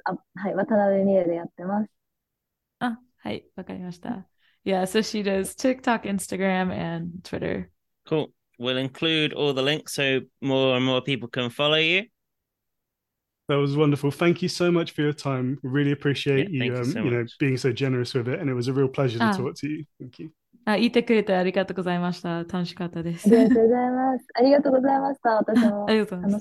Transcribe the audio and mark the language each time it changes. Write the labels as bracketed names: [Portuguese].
[Japanese] あ、はい、渡辺美優でやってます。あ、はい、わかりました。 [English] Yeah, so she does TikTok, Instagram, and Twitter. Cool. We'll include all the links so more and more people can follow you. That was wonderful. Thank you so much for your time. Really appreciate yeah, you, you know, being so generous with it. And it was a real pleasure to talk to you. Thank you. [Japanese] Ah, 言ってくれてありがとうございました。楽しかったです。ありがとうございます。ありがとうございました。私も。ありがとうございます。